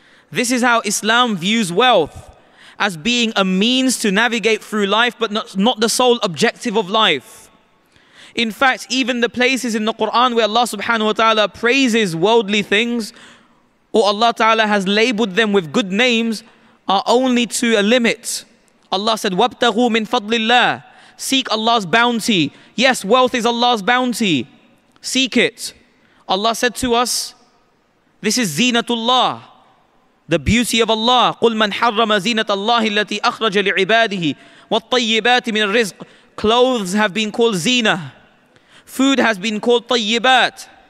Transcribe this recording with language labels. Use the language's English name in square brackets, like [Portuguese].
[English] This is how Islam views wealth, as being a means to navigate through life, but not the sole objective of life. In fact, even the places in the Quran where Allah subhanahu wa ta'ala praises worldly things, or Allah Ta'ala has labeled them with good names, are only to a limit. Allah said, [Arabic] وَابْتَغُوا مِن فَضْلِ اللَّهِ. [English] Seek Allah's bounty. Yes, wealth is Allah's bounty. Seek it. Allah said to us, this is zinatullah, the beauty of Allah. [Arabic] قُلْ مَنْ حَرَّمَ زِينَةَ اللَّهِ الَّتِي أَخْرَجَ لِعِبَادِهِ وَالطَّيِّبَاتِ مِنَ الرِّزْقِ. [English] Clothes have been called zina. Food has been called طَيِّبَات.